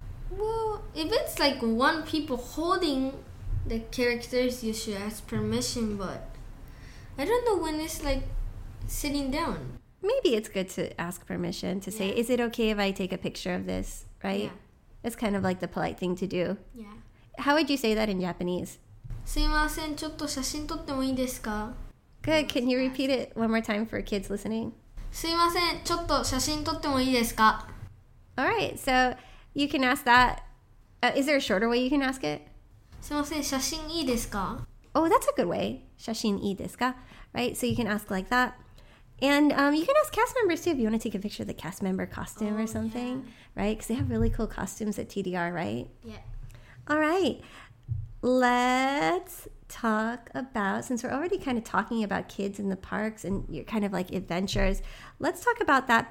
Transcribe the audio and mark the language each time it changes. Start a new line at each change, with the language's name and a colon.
English: Well, if it's, like, one people holding the characters, you should ask permission. But I don't know when it's, like, sitting down. Maybe it's good to ask permission to say, is it okay if I take a picture of this, right? Yeah. It's kind of like the polite thing to do. Yeah. How would you say that in Japanese?
Japanese: すいません, ちょっと写真撮ってもいいですか?
English: Good. Can you repeat it one more time for kids listening?
Japanese: すいません、ちょっと写真撮ってもいいですか?
English: All right. So you can ask that. Is there a shorter way you can ask it?
Japanese: すいません、写真いいですか?
English: Oh, that's a good way.
Japanese: 写真いいですか?
English: Right? So you can ask like that. And you can ask cast members too if you want to take a picture of the cast member costume or something, right? Because they have really cool costumes at TDR, right? Yeah. All right. Let's talk about, since we're already kind of talking about kids in the parks and your kind of like adventures, let's talk about that.